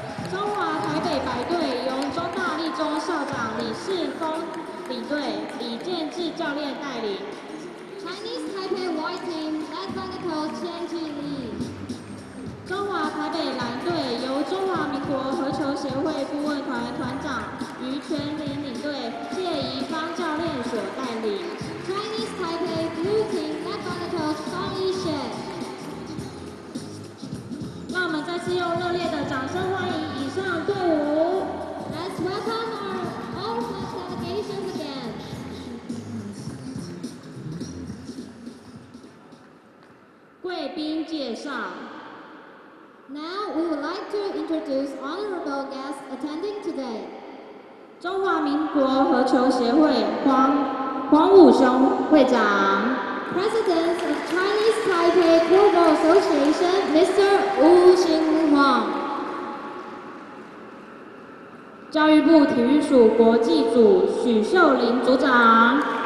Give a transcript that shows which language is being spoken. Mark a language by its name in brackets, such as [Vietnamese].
[Chinese] 中华台北白队由中大立中校长李世峰领队，李建志教练带领。 [English] Chinese Taipei White Team led by the coach 千俊毅。 [Chinese] 中华台北蓝队由中华民国合球协会顾问团团长于全林领队，谢怡芳教练所带领。 [English] Chinese Taipei Blue Team led by the coach Song Yixuan。 [Chinese] 那我们再次用热烈的掌声欢迎以上队伍。 [English] Let's welcome our all the delegations again。 [Chinese] 贵宾介绍。 [English] Now we would like to introduce honorable guests attending today. [Chinese] 中华民国合球协会黄武雄会长。 [English] President of Chinese Taipei Football Association, Mr. Wu Xinhuang. [Chinese] 教育部体育署国际组许秀玲组长。